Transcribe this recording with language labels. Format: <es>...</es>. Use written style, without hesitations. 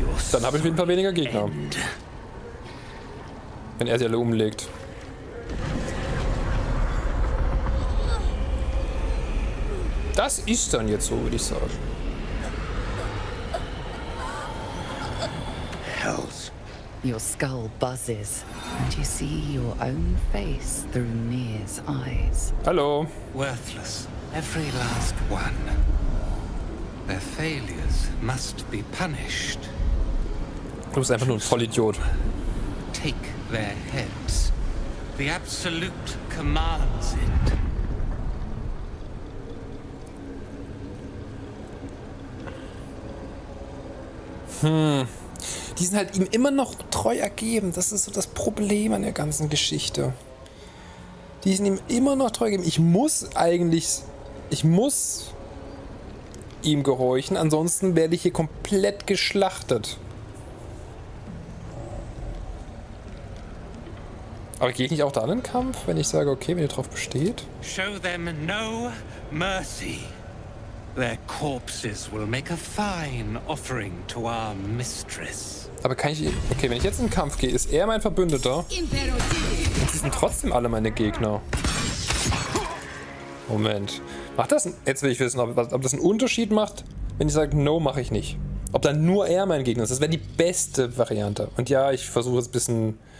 <de>Dann habe ich ein paar weniger Gegner. Wenn er sie alle umlegt. Das ist dann jetzt so, würde ich sagen.</de> <en>Hells Your skull buzzes, and you see your own face through Nir's eyes.</en> <de>Hallo.</de> <en>Worthless. Every last one. Their failures must be punished.</en> <de>Du bist einfach nur ein Vollidiot.</de> <en>Take their heads. The Absolute commands it.</en> <de>Die sind halt ihm immer noch treu ergeben. Das ist so das Problem an der ganzen Geschichte. Die sind ihm immer noch treu ergeben. Ich muss ihm gehorchen, ansonsten werde ich hier komplett geschlachtet. Aber gehe ich nicht auch da in den Kampf, wenn ich sage, okay, wenn ihr drauf besteht?</de> <en>Show them no mercy. Their corpses will make a fine offering to our mistress.</en> <de>Aber kann ich... Okay, wenn ich jetzt in den Kampf gehe, ist er mein Verbündeter. Und sie sind trotzdem alle meine Gegner. Moment. Macht das... Jetzt will ich wissen, ob das einen Unterschied macht, wenn ich sage, no, mache ich nicht. Ob dann nur er mein Gegner ist. Das wäre die beste Variante. Und ja, ich versuche es ein bisschen...</de>